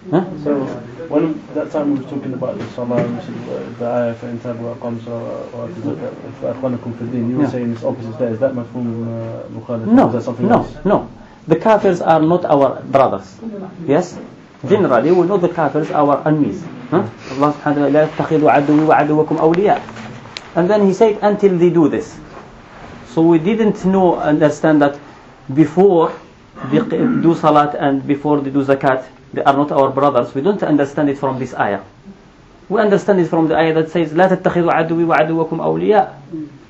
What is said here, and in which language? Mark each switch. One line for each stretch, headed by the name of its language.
English: So when that time we were talking about the Salah, we said the ayah for intabu aqams or akhwanakum fi din, you were saying it's opposite there. Is that mafhum mukhalafa? No, is that something else? No. The kafirs are not our brothers. Yes? Generally, we know the kafirs are our enemies.
Arabic: Allah subhanahu wa ta'ala, لا يتخذوا عدوي وعدوكم أولياء.
English: And then he said, until they do this. So we didn't know, understand that before they do salat and before they do zakat, they are not our brothers. We don't understand it from this ayah. We understand it from the ayah that says,
Arabic: لا تتخذوا عدوي وعدوكم أولياء.